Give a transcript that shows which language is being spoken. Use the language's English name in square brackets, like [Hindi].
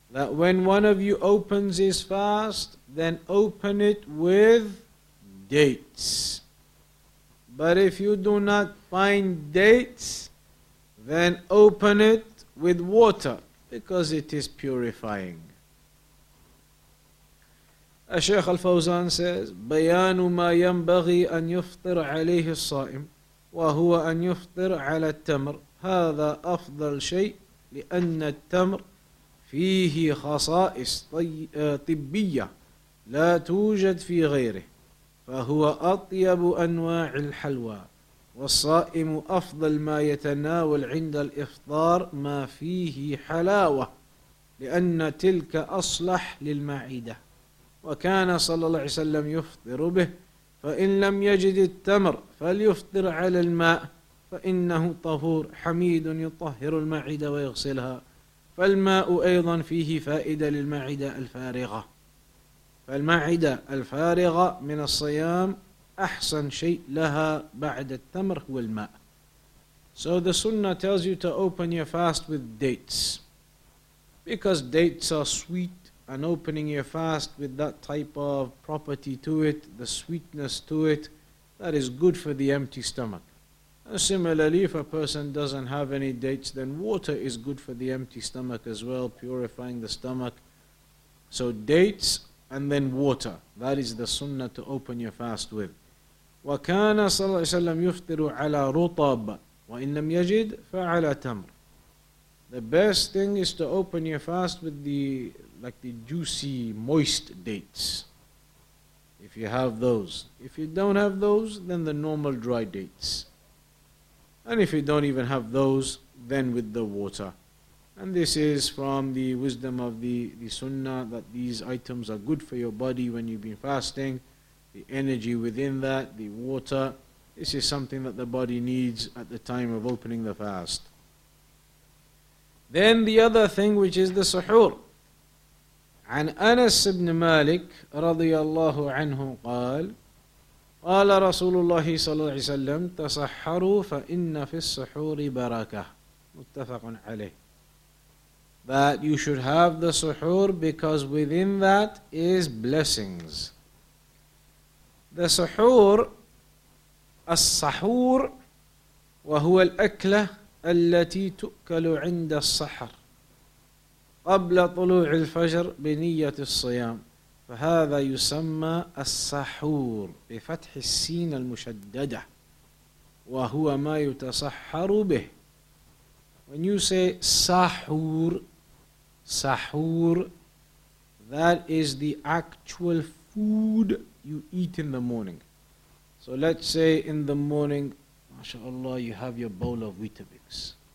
[English] That when one of you opens his fast, then open it with dates. But if you do not find dates, then open it with water, because it is purifying. [Arabic] الشيخ الفوزان [English] says [Arabic] بيان ما ينبغي أن يفطر عليه الصائم وهو أن يفطر على التمر هذا أفضل شيء لأن التمر فيه خصائص طبية لا توجد في غيره فهو أطيب أنواع الحلوى والصائم أفضل ما يتناول عند الإفطار ما فيه حلاوة لأن تلك أصلح للمعدة وكان صلى الله عليه وسلم يفطر به فإن لم يجد التمر فليفطر على الماء فإنه طهور حميد يطهر المعدة ويغسلها فالماء أيضا فيه فائدة للمعدة الفارغة فالمعدة الفارغة من الصيام أحسن شيء لها بعد التمر هو الماء. [English] So the sunnah tells you to open your fast with dates. Because dates are sweet and opening your fast with that type of property to it, the sweetness to it, that is good for the empty stomach. And similarly, if a person doesn't have any dates, then water is good for the empty stomach as well, purifying the stomach. So dates and then water, that is the sunnah to open your fast with. [Arabic] وكان صلى الله عليه وسلم يفطر على رطب وإن لم يجد فعلى تمر. [English] The best thing is to open your fast with the juicy, moist dates. If you have those. If you don't have those, then the normal dry dates. And if you don't even have those, then with the water. And this is from the wisdom of the sunnah that these items are good for your body when you've been fasting. The energy within that, the water, this is something that the body needs at the time of opening the fast. Then the other thing, which is the suhoor. [Arabic] عن أنس بن مالك رضي الله عنه قال قال رسول الله صلى الله عليه وسلم تسحروا فإن في السحور بركة. متفق عليه. [English] That you should have the suhoor because within that is blessings. The suhoor, [Arabic] as-sahoor, وهو الأكلة التي تؤكل عند الصحر قبل طلوع الفجر بنية الصيام فهذا يسمى السحور بفتح السين المشددة وهو ما يتسحر به. [English] When you say sahur, sahur, that is the actual food you eat in the morning. So let's say in the morning, mashallah, you have your bowl of Weetabix.